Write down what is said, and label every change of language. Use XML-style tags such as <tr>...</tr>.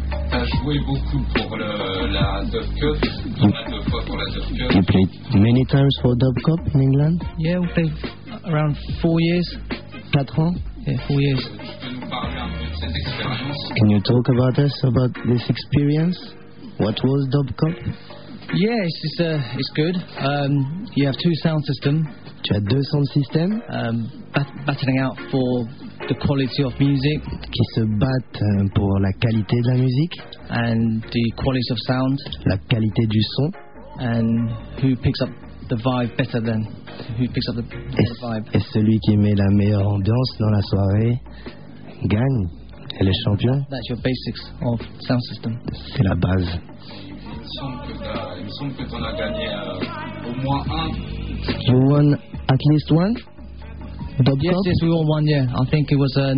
<fr>T'as joué beaucoup pour la Dub Cup, deux fois pour la Dub Cup.</fr> <en>You played many times for Dub Cup in England? Yeah, we played around 4 years.</en> <fr>4 ans?</fr> <en>Yeah, 4 years. Can you talk about us, about this experience? What was Dubcup? Yeah, it's good. You have two sound systems.</en> <fr>Tu as deux sound systems.</fr> <en>Battling out for the quality of music.</en> <fr>Qui se battent pour la qualité de la musique.</fr> <en>And the quality of sound.</en> <fr>La qualité du son.</fr> <en>And who picks up the vibe better than who picks up the vibe.</en> <fr>Et celui qui met la meilleure ambiance dans la soirée gagne. Elle est champion.</fr> <en>That's your basics of sound system.</en> <fr>C'est la base. Il me semble que t'en as gagné au moins un.</fr> <en>You won at least one? Yes, yes, we won one, yeah. I think it was</en>